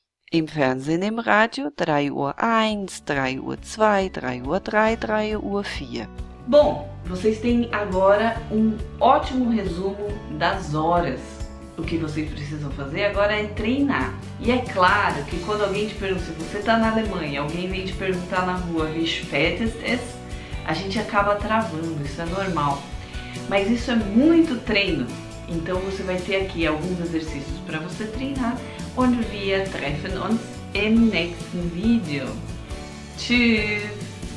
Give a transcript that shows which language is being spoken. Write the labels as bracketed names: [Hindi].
[German] Im Fernsehen, im Radio, 3 Uhr 1, 3 Uhr 2, 3 Uhr 3, 3 Uhr 4. [Portuguese] Bom, vocês têm agora um ótimo resumo das horas. O que vocês precisam fazer agora é treinar. E é claro que quando alguém te pergunta, se você está na Alemanha, alguém vem te perguntar na rua, [German] wie spät ist es? [Portuguese] A gente acaba travando, isso é normal. Mas isso é muito treino. Então você vai ter aqui alguns exercícios para você treinar. [German] Und wir treffen uns im nächsten Video. Tschüss!